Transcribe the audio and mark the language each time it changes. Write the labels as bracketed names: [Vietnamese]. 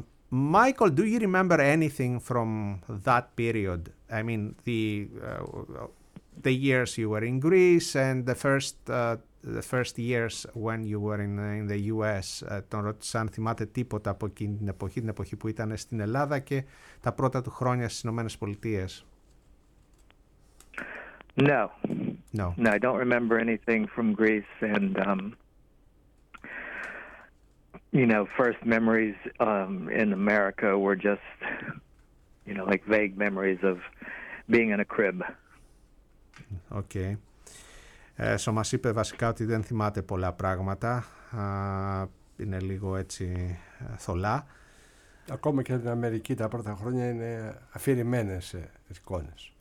[English] Michael, do you remember anything from that period? I mean, the years you were in Greece and the first years when you were in the US, [Greek] τον ρώτησα αν θυμάται τίποτα από εκείνη την εποχή, την εποχή που ήταν στην Ελλάδα και τα πρώτα του χρόνια στις Ηνωμένες Πολιτείες. [English] No, I don't remember anything from Greece and, you know, first memories in America were just, you know, like vague memories of being in a crib. Okay. [Greek] So μας είπε βασικά ότι δεν θυμάται πολλά πράγματα, είναι λίγο έτσι θολά. Ακόμα και την Αμερική τα πρώτα χρόνια είναι αφηρημένες εικόνες.